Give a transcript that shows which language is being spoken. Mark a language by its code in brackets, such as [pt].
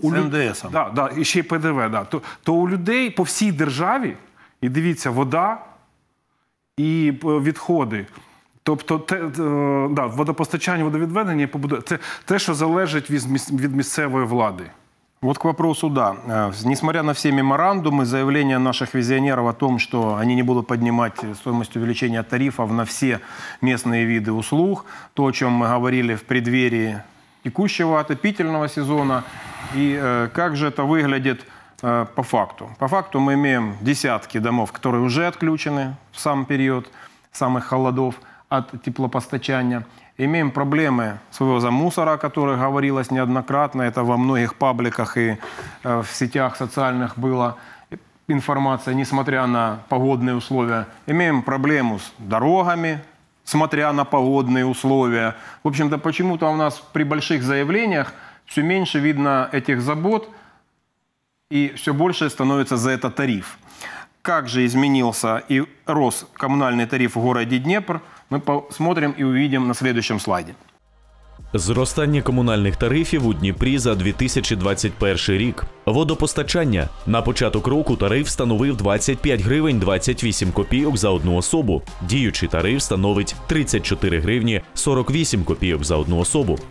[ru] НДС. [uk] Да, і ще й ПДВ. Да. То у людей по всій державі, і дивіться, вода і відходи. Тобто водопостачання, водовідведення, побудова. Це те, що залежить від місцевої влади. [ru] Вот к вопросу, да. Несмотря на все меморандумы, заявления наших визионеров о том, что они не будут поднимать стоимость увеличения тарифов на все местные виды услуг, то, о чем мы говорили в преддверии текущего отопительного сезона, и как же это выглядит по факту. По факту мы имеем десятки домов, которые уже отключены в сам период самых холодов от теплопостачания. Имеем проблемы с вывозом мусора, о которых говорилось неоднократно. Это во многих пабликах и в сетях социальных было. информация, несмотря на погодные условия. Имеем проблему с дорогами, смотря на погодные условия. В общем-то, почему-то у нас при больших заявлениях все меньше видно этих забот, и все больше становится за это тариф. Как же изменился и рос коммунальный тариф в городе Днепр, мы посмотрим и увидим на следующем слайде. [uk] Зростання комунальних тарифів у Дніпрі за 2021 рік. Водопостачання. На початок року тариф становив 25 гривень 28 копійок за одну особу. Діючий тариф становить 34 гривні 48 копійок за одну особу.